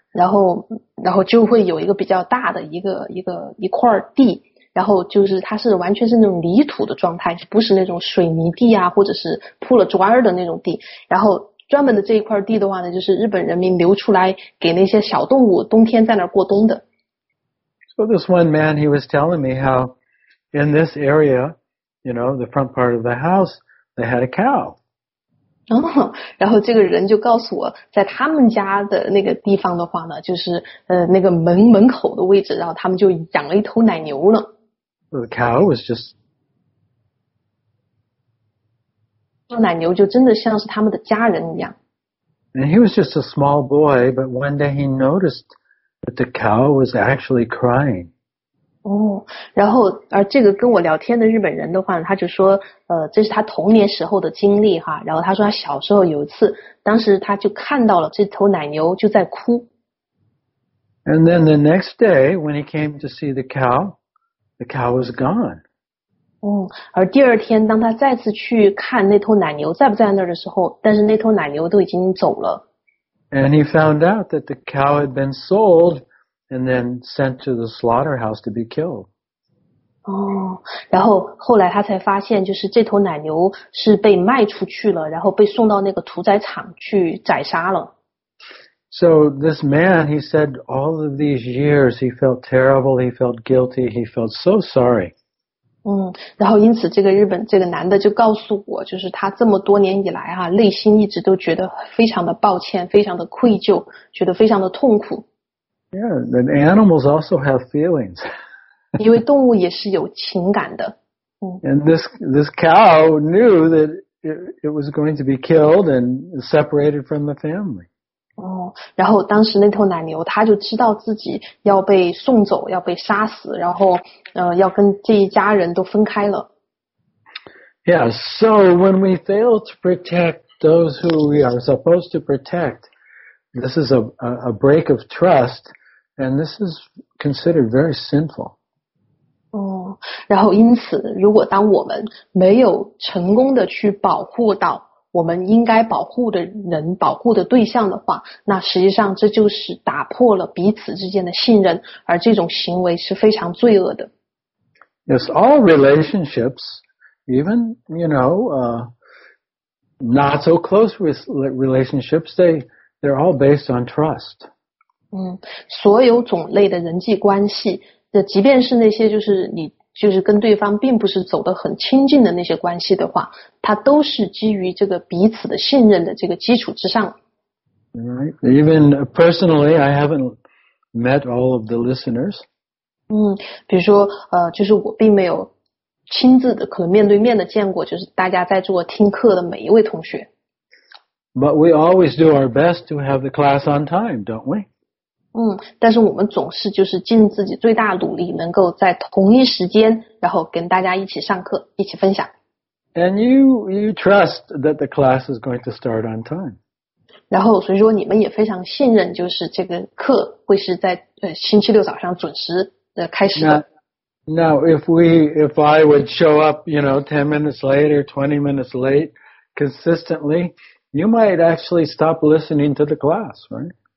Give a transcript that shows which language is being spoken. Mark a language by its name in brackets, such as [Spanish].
[Chinese] 然后就会有一个比较大的一个一块地，然后就是它是完全是那种泥土的状态，不是那种水泥地啊，或者是铺了砖的那种地。然后专门的这一块地的话呢，就是日本人民留出来给那些小动物冬天在那儿过冬的。 [English] So this one man, he was telling me how in this area, you know, the front part of the house, they had a cow. [Chinese] 然后这个人就告诉我，在他们家的那个地方的话呢，就是那个门口的位置，然后他们就养了一头奶牛了。 [English] The cow was just [Chinese] 奶牛就真的像是他们的家人一样。 [English] And he was just a small boy, but one day he noticed that the cow was actually crying. [Chinese] 然后而这个跟我聊天的日本人的话呢，他就说这是他童年时候的经历哈，然后他说他小时候有一次，当时他就看到了这头奶牛就在哭。 [English] And then the next day, when he came to see the cow was gone. [Chinese] 而第二天当他再次去看那头奶牛在不在那儿的时候，但是那头奶牛都已经走了。 [English] And he found out that the cow had been sold.And then sent to the slaughterhouse to be killed. [Chinese] 哦，然后后来他才发现，就是这头奶牛是被卖出去了，然后被送到那个屠宰场去宰杀了。 [English] So this man, he said, all of these years, he felt terrible, he felt guilty, he felt so sorry. [Chinese] 嗯，然后因此这个日本这个男的就告诉我，就是他这么多年以来啊，内心一直都觉得非常的抱歉，非常的愧疚，觉得非常的痛苦。 [English] Yeah, and animals also have feelings. [Chinese] 因为动物也是有情感的。 [English] And this cow knew that it was going to be killed and separated from the family. [Chinese] 哦，然后当时那头奶牛他就知道自己要被送走，要被杀死，然后要跟这一家人都分开了。 [English] Yeah, so when we fail to protect those who we are supposed to protect, this is a break of trust, and this is considered very sinful. [Chinese] 哦，然后因此，如果当我们没有成功的去保护到我们应该保护的人、保护的对象的话，那实际上这就是打破了彼此之间的信任，而这种行为是非常罪恶的。 [English] Yes, all relationships, even, you know, not so close relationships, they're all based on trust. [Chinese] 所有种类的人际关系，即便是那些就是你就是跟对方并不是走得很亲近的那些关系的话，它都是基于这个彼此的信任的这个基础之上。 [English] Right. Even personally, I haven't met all of the listeners. [Chinese] 比如说就是我并没有亲自的可能面对面的见过就是大家在做听课的每一位同学。 [English] But we always do our best to have the class on time, don't we? [Chinese] 但是我们总是就是尽自己最大努力能够在同一时间然后跟大家一起上课一起分享。 [English] And you trust that the class is going to start on time. [Chinese] 然后所以说你们也非常信任就是这个课会是在星期六早上准时开始的。 [English] Now, if I would show up, you know, 10 minutes late or 20 minutes late consistently, you might actually stop listening to the class, right?